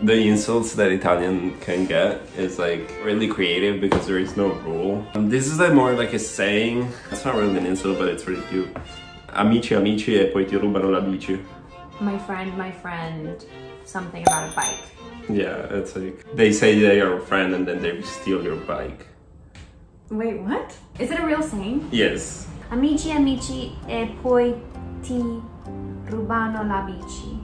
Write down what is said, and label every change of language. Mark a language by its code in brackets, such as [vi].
[en] The insults that Italian can get is like really creative because there is no rule. This is like more like a saying. It's not really an insult, but it's really cute. [it] Amici, amici, e poi ti rubano la bici. [en] My friend, something about a bike. Yeah, it's like, they say they are a friend and then they steal your bike. Wait, what? Is it a real saying? Yes. [it] Amici, amici, e poi ti rubano la bici.